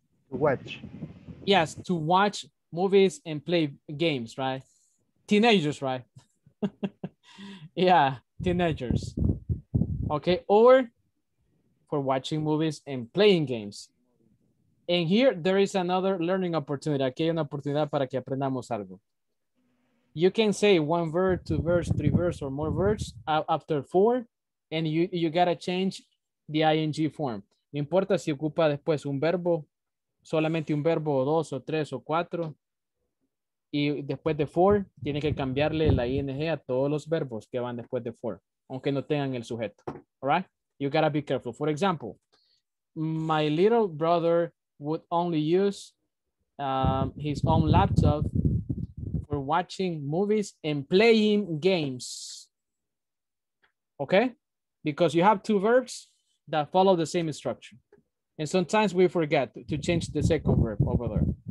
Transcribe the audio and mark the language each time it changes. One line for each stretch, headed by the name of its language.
English: To watch. Yes, to watch movies and play games, right? Teenagers, right? Yeah, teenagers. Okay, or for watching movies and playing games. And here, there is another learning opportunity.
Spanish: Aquí hay una oportunidad para que aprendamos algo.
English: You can say one verb, two verbs, three verbs, or more verbs after four. And you gotta change the ing form.
Spanish: No importa si ocupa después un verbo, solamente un verbo, o dos, o tres, o cuatro. Y después de four, tiene que cambiarle la ing a todos los verbos que van después de four, aunque no tengan el sujeto.
English: All right? You gotta be careful. For example, my little brother would only use his own laptop for watching movies and playing games. Okay? Because you have two verbs that follow the same structure. And sometimes we forget to change the second verb over there.